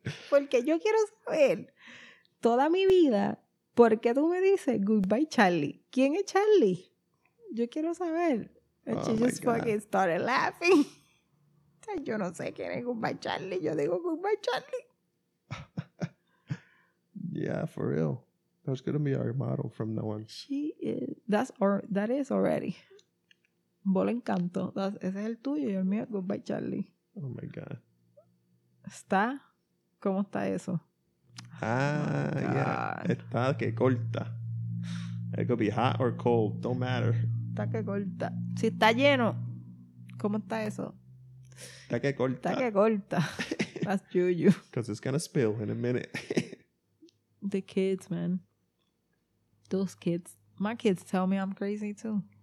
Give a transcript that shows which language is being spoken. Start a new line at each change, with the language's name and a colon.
Spanish: Porque yo quiero saber toda mi vida, ¿por qué tú me dices goodbye, Charlie? ¿Quién es Charlie? Yo quiero saber.
English: And she just fucking started laughing.
Spanish: Yo no sé quién es goodbye, Charlie. Yo digo goodbye, Charlie.
English: Yeah, for real. That's going to be our model from now on. She is. That is already. Bolo encanto.
Spanish: Ese es el tuyo y el mío. Goodbye, Charlie.
English: Oh, my God.
Spanish: ¿Está? ¿Cómo está eso? Está que corta.
English: It could be hot or cold. Don't matter.
Spanish: Está que corta. Si está lleno, ¿cómo está eso? Está que corta. Está que corta.
English: That's juju. Because it's going to spill in a minute. The kids, man. Those kids. My kids tell me I'm crazy, too.